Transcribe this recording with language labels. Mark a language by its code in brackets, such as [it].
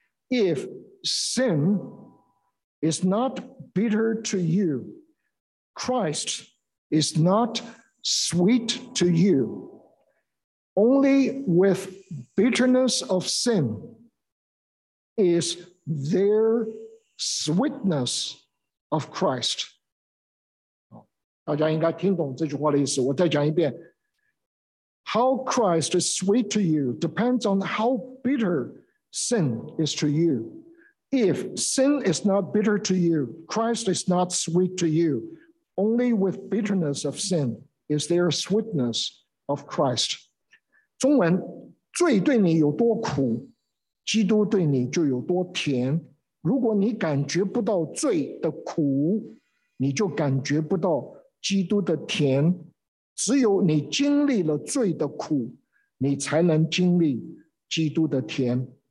[en] If sin is not bitter to you, Christ is not sweet to you. Only with bitterness of sin is there sweetness of Christ. [zh] 大家应该听懂这句话的意思，我再讲一遍。 [en] How Christ is sweet to you depends on how bitter sin is to you. If sin is not bitter to you, Christ is not sweet to you. Only with bitterness of sin is there sweetness of Christ. [zh] 中文，罪对你有多苦，基督对你就有多甜。如果你感觉不到罪的苦，你就感觉不到基督的甜。只有你经历了罪的苦，你才能经历基督的甜。